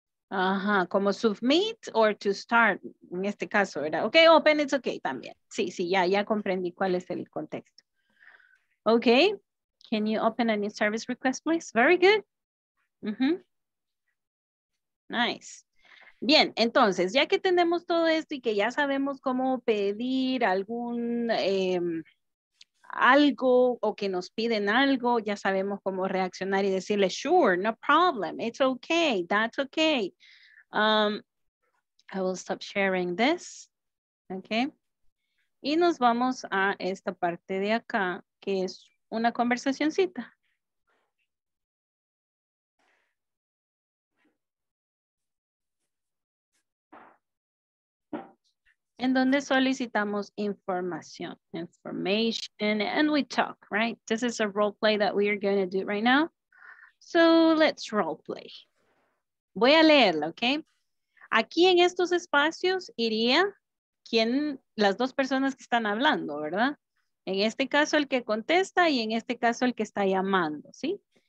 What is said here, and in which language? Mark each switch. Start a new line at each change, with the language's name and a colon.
Spanish: Ajá, como submit or to start, en este caso, ¿verdad? Ok, open, it's ok también. Sí, sí, ya, ya comprendí cuál es el contexto.
English: Ok, can you open a new service request, please? Very good. Mm-hmm. Nice.
Spanish: Bien, entonces, ya que tenemos todo esto y que ya sabemos cómo pedir algún algo o que nos piden algo, ya sabemos cómo reaccionar y decirle, sure, no problem, it's okay, that's okay.
English: I will stop sharing this, okay.
Spanish: Y nos vamos a esta parte de acá, que es una conversacioncita. En donde solicitamos información, information, and we talk, right?
English: This is a role play that we are going to do right now. So let's role play. Voy a leerlo, ¿ok?
Spanish: Aquí en estos espacios iría quien, las dos personas que están hablando, ¿verdad? En este caso el que contesta y en este caso el que está llamando, ¿sí?